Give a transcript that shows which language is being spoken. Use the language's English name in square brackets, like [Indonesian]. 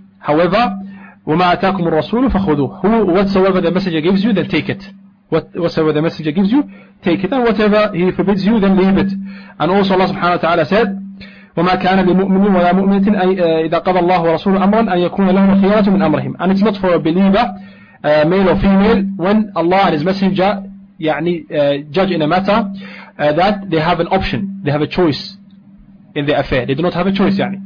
[English] However, [Arabic] وَمَا أَتَاكُمُ الرَّسُولُ فَخُذُوهُ. [English] Whatsoever the messenger gives you, then take it. Whatsoever the messenger gives you, take it. And whatever he forbids you, then leave it. And also Allah subhanahu wa ta'ala said, [Arabic] وَمَا كَانَ لِمُؤْمِنٍ وَلَا مُؤْمِنَةٍ إِذَا قَضَى اللَّهُ وَرَسُولُ أَمْرًا أَنْ يَكُونَ لَهُمُ الْخِيَرَةُ مِنْ أَمْرِهِمْ. [English] And it's not for a believer, male or female, when Allah and His Messenger judge in a matter, that they have an option, they have a choice in the affair. They do not have a choice.